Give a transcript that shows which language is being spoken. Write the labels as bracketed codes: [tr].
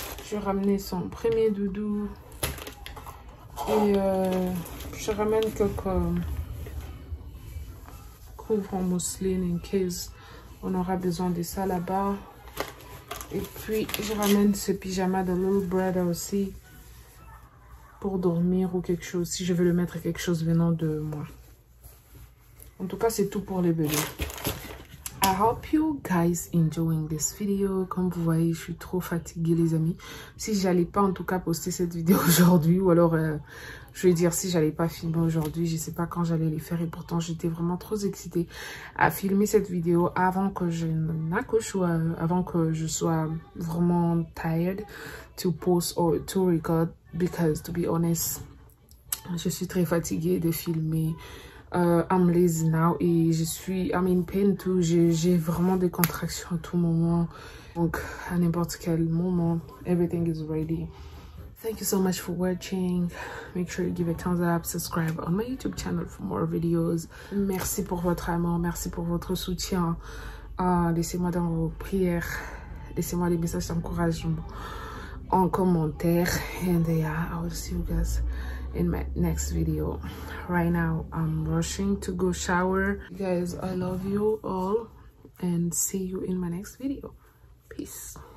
[fr] Je ramenais son premier doudou. Et je ramène quelques couvres en mousseline [en] in case [fr] on aura besoin de ça là-bas. Et puis je ramène ce pyjama de Little Brother aussi pour dormir ou quelque chose, si je veux le mettre quelque chose venant de moi. En tout cas, c'est tout pour les bébés. [en] I hope you guys enjoying this video. [fr] Comme vous voyez, je suis trop fatiguée, les amis. Si j'allais pas en tout cas poster cette vidéo aujourd'hui, ou alors je vais dire si j'allais pas filmer aujourd'hui, je sais pas quand j'allais les faire. Et pourtant, j'étais vraiment trop excitée à filmer cette vidéo avant que je n'accouche ou avant que je sois vraiment [en] tired to post or to record. Because to be honest, [fr] je suis très fatiguée de filmer. [en] I'm lazy now [fr] et je suis, [en] I'm in pain too. [fr] J'ai vraiment des contractions à tout moment. Donc, à n'importe quel moment, [en] everything is ready. Thank you so much for watching. Make sure you give a thumbs up, subscribe on my YouTube channel for more videos. [fr] Merci pour votre amour, merci pour votre soutien. Laissez-moi dans vos prières, laissez-moi des messages d'encouragement en commentaire. [en] And yeah, I will see you guys in my next video. Right now, I'm rushing to go shower. You guys, I love you all and see you in my next video. Peace.